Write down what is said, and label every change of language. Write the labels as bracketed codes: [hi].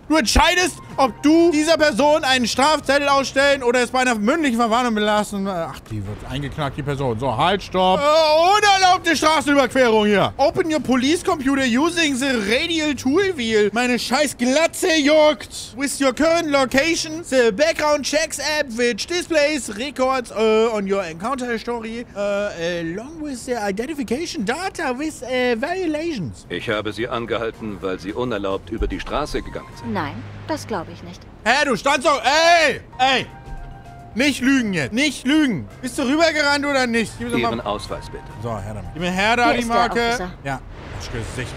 [de] Du entscheidest, ob du dieser Person einen Strafzettel ausstellen oder es bei einer mündlichen Verwarnung belassen. Ach, die wird eingeknackt, die Person. So, halt, stopp. Unerlaubte Straßenüberquerung hier. [en] Open your police computer using the radial tool wheel. [de] Meine scheiß Glatze juckt. [en] With your current location, the background checks app which displays records on your encounter history along with the identification data with violations. [de] Ich habe sie angehalten, weil sie unerlaubt über die Straße gegangen sind. Nein, das glaube ich nicht. Hä, du standst doch... Ey! Ey! Nicht lügen jetzt. Nicht lügen. Bist du rübergerannt oder nicht? Gib mir einen Ausweis, bitte. So, her damit. Gib mir her da die Marke. Ja. Gesicht.